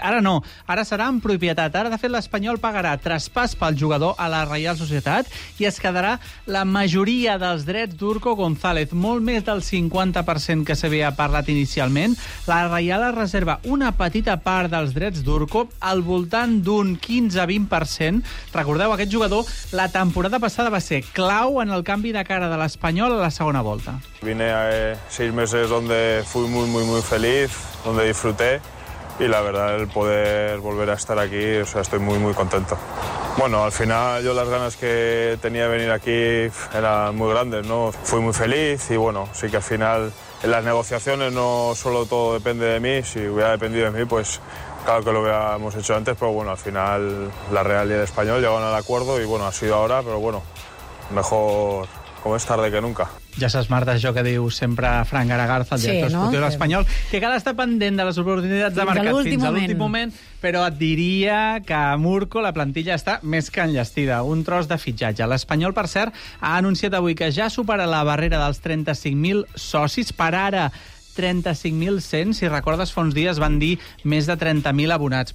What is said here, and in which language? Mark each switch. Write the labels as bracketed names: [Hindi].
[Catalan] Ara no, ara serà en propietat. Ara, de fet, l'Espanyol pagarà traspàs pel jugador a la Reial Societat i es quedarà la majoria dels drets d'Urco González, molt més del 50% que s'havia parlat inicialment. La Reial es reserva una petita part dels drets d'Urco, al voltant d'un 15-20%. Recordeu, aquest jugador, la temporada passada va ser clau en el canvi de cara de l'Espanyol a la segona volta. [Spanish] Vine a 6 meses donde fui muy, muy, muy feliz, donde disfruté, y la verdad, el poder volver a estar aquí, o sea, estoy muy, muy contento. Bueno, al final, yo las ganas que tenía de venir aquí eran muy grandes, ¿no? Fui muy feliz y, bueno, sí que al final, en las negociaciones no solo todo depende de mí, si hubiera dependido de mí, pues claro que lo habíamos hecho antes, pero bueno, al final la Real y el Español llegaron al acuerdo y bueno, ha sido ahora, pero bueno, mejor como es tarde que nunca. [Catalan] Ja saps, Marta, això que diu sempre Fran Garagarza, el director esportiu de l'Espanyol, que cal estar pendent de les oportunitats de mercat fins a l'últim moment, però et diria que a Murco la plantilla està més que enllestida, un tros de fitxatge. L'Espanyol, per cert, ha anunciat avui que ja supera la barrera dels 35.000 socis, per ara 35.100, si recordes, fa uns dies van dir més de 30.000 abonats.